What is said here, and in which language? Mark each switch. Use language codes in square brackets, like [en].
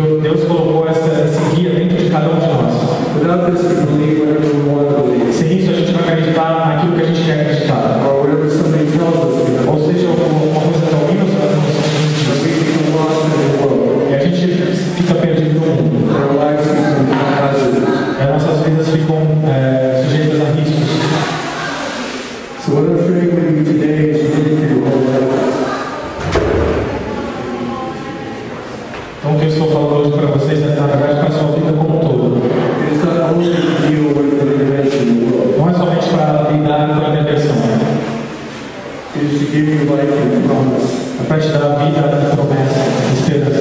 [pt] o Deus colocou esse guia dentro de cada um de nós. [en] Without this, we believe whatever we want to believe. [pt] Sem isso, a gente vai acreditar naquilo que a gente quer acreditar. [en] Or whatever somebody tells us. [pt] Ou seja, alguma coisa que alguém nos vai falar. E a gente fica perdido no mundo. Nossas vidas ficam sujeitas a riscos. [en] So what I'm sharing with you today is really for your whole life. [pt] Então o que eu estou falando hoje para vocês é na verdade para a sua vida como um todo. [en] It's not only to deal with the intervention in the world. [pt] Não é somente para lidar com a intervenção. [en] It is to give you life and promise. [pt] É para te dar a vida da promessa, de esperança.